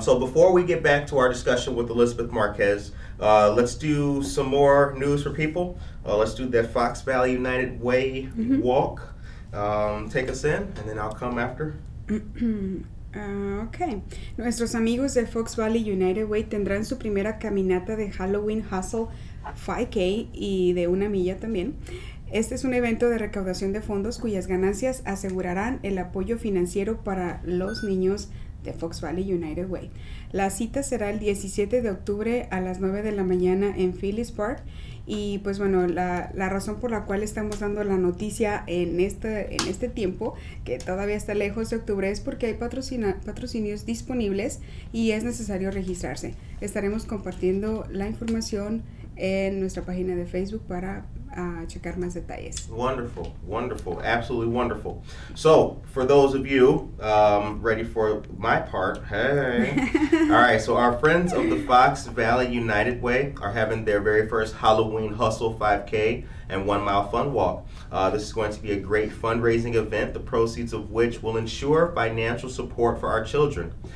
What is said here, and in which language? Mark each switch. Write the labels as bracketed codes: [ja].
[en] So before we get back to our discussion with Elizabeth Marquez, let's do some more news for people. Let's do that Fox Valley United Way mm-hmm. walk. Take us in, and then I'll come after. Okay. [es] Nuestros amigos de Fox Valley United Way tendrán su primera caminata de Halloween Hustle 5K y de una milla también. Este es un evento de recaudación de fondos cuyas ganancias asegurarán el apoyo financiero para los niños de Fox Valley United Way. La cita será el 17 de octubre a las 9 de la mañana en Phillips Park. Y pues bueno, la razón por la cual estamos dando la noticia en este tiempo, que todavía está lejos de octubre, es porque hay patrocinios disponibles y es necesario registrarse. Estaremos compartiendo la información en nuestra página de Facebook para checar más detalles. [en] Wonderful, wonderful, absolutely wonderful. So, for those of you ready for my part, hey. All right, so our friends of the Fox Valley United Way are having their very first Halloween Hustle 5K and 1 mile fun walk. This is going to be a great fundraising event, the proceeds of which will ensure financial support for our children.